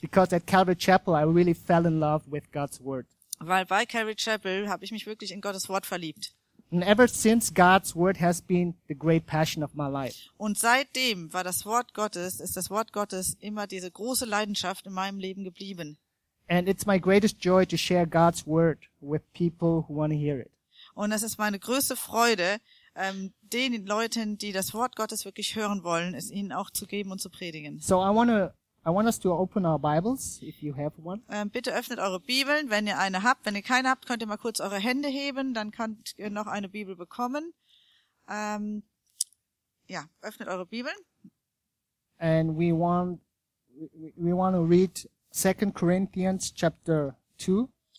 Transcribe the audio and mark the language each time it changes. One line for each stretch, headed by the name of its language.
English: Because at Calvary Chapel I really fell in love with God's word.
German: Weil bei Calvary Chapel habe ich mich wirklich in Gottes Wort verliebt.
English: And ever since God's word has been the great passion of my life.
German: Und seitdem war das Wort Gottes, ist das Wort Gottes immer diese große Leidenschaft in meinem Leben geblieben.
English: And it's my greatest joy to share God's word with people who want to hear it.
German: Und es ist meine größte Freude, den Leuten, die das Wort Gottes wirklich hören wollen, es ihnen auch zu geben und zu predigen.
English: So I want us to open our Bibles if you have one.
German: Bitte öffnet eure Bibeln, wenn ihr eine habt. Wenn ihr keine habt, könnt ihr mal kurz eure Hände heben, dann könnt ihr noch eine Bibel bekommen. Ja, öffnet eure Bibeln.
English: And we want to read 2 Corinthians chapter 2.